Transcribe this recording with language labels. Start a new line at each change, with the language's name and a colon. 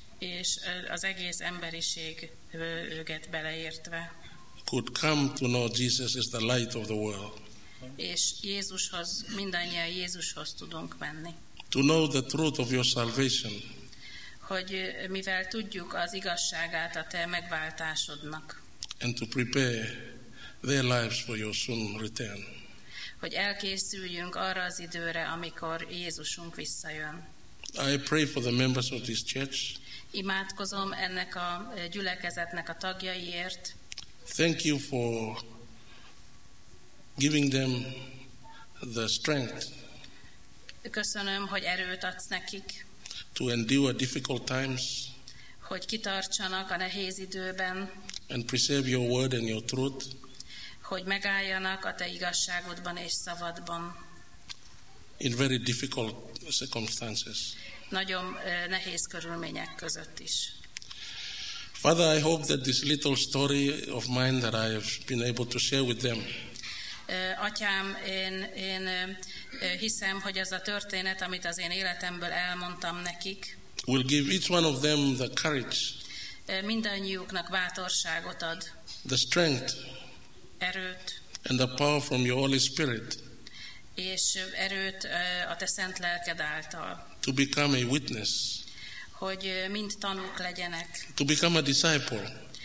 Hungarian: és az egész emberiség őket beleértve,
English: could come to know Jesus as the light of the world,
Hungarian: és Jézushoz, mindannyian Jézushoz tudunk menni.
English: To know the truth of your salvation.
Hungarian: Hogy mivel tudjuk az igazságát a te megváltásodnak.
English: And to prepare their lives for your soon return.
Hungarian: Hogy elkészüljünk arra az időre, amikor Jézusunk visszajön.
English: I pray for the members of this church.
Hungarian: Imádkozom ennek a gyülekezetnek a tagjaiért.
English: Thank you for giving them the strength.
Hungarian: Köszönöm, hogy erőt adsz nekik.
English: To endure difficult times.
Hungarian: Hogy kitartsanak a nehéz időben.
English: And preserve your word and your truth.
Hungarian: Hogy megálljanak a te igazságodban és szavadban.
English: In very difficult circumstances.
Hungarian: Nagyon nehéz körülmények között is.
English: Father, I hope that this little story of mine that I have been able to share with them.
Hungarian: Atyám, én hiszem, hogy ez a történet, amit az én életemből elmondtam nekik,
English: will give each one of them the courage,
Hungarian: mindannyiuknak bátorságot ad,
English: the strength,
Hungarian: erőt,
English: and the power from your Holy Spirit,
Hungarian: és erőt a te szent lelked által,
English: to become a witness,
Hungarian: hogy mind tanúk legyenek,
English: to become a disciple,